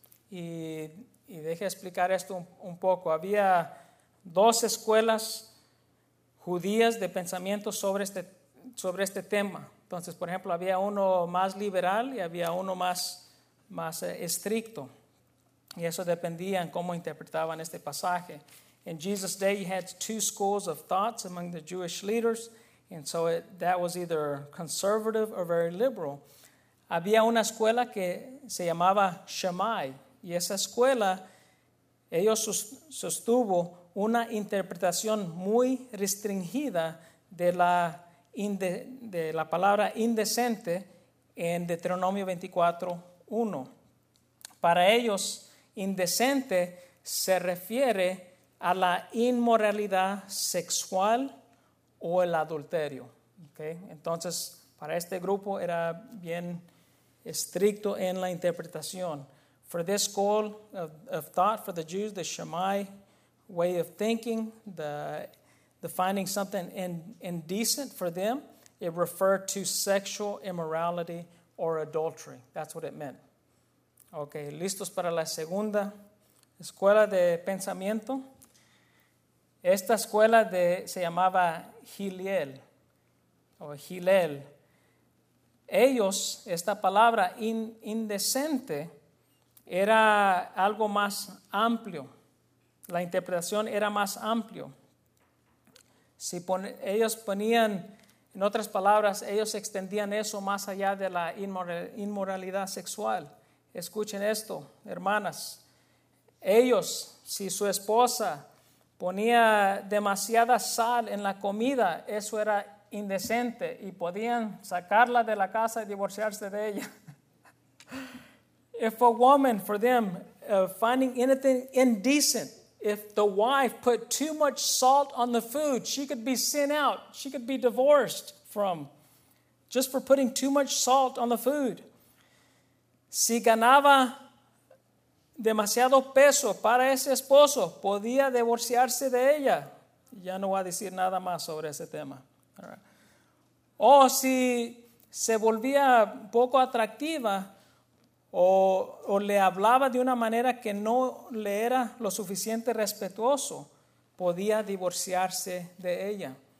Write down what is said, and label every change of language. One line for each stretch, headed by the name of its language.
Spanish: Y deje explicar esto un poco. Había dos escuelas judías de pensamiento sobre este tema. Entonces, por ejemplo, había uno más liberal y había uno más estricto. Y eso dependía en cómo interpretaban este pasaje.
English: In Jesus' day, he had two schools of thoughts among the Jewish leaders. And so that was either conservative or very liberal.
Spanish: Había una escuela que se llamaba Shammai. Y esa escuela, ellos sostuvo una interpretación muy restringida de la palabra indecente en Deuteronomio 24:1. Para ellos, indecente se refiere a la inmoralidad sexual o el adulterio. ¿Okay? Entonces, para este grupo era bien estricto en la interpretación.
English: For this school of thought, for the Jews, the Shammai way of thinking, the finding something indecent for them, it referred to sexual immorality or adultery. That's what it meant.
Spanish: Okay, listos para la segunda escuela de pensamiento. Esta escuela se llamaba Hillel o Hillel. Ellos, esta palabra indecente, era algo más amplio. La interpretación era más amplio. Ellos ponían, en otras palabras, ellos extendían eso más allá de la inmoralidad sexual. Escuchen esto, hermanas. Ellos, si su esposa ponía demasiada sal en la comida, eso era indecente y podían sacarla de la casa y divorciarse de ella.
English: If a woman, for them, finding anything indecent, if the wife put too much salt on the food, she could be sent out. She could be divorced from just for putting too much salt on the food.
Spanish: Si ganaba demasiado peso para ese esposo, podía divorciarse de ella. Ya no voy a decir nada más sobre ese tema.
English: All right.
Spanish: O si se volvía poco atractiva, o le hablaba de una manera que no le era lo suficiente respetuoso, podía divorciarse de ella.